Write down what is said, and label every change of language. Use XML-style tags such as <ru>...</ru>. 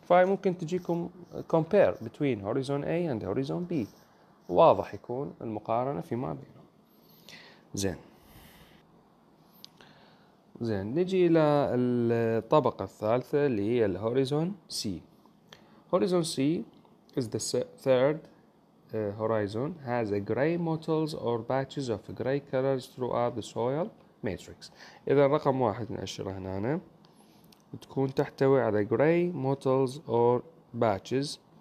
<ar>فهي ممكن تجيكم</ar> <en>compare between horizon A and horizon B</en> <ar>واضح يكون المقارنة فيما بينهم. زين نجي إلى الطبقة الثالثة اللي هي الهوريزون سي.</ar> <en>Horizon C is the third horizon, has a gray mottles or patches of gray colors throughout the soil matrix.</en> <ar>إذا رقم واحد نأشر هنا تكون تحتوي على</ar> <en>gray mottles or patches.</en>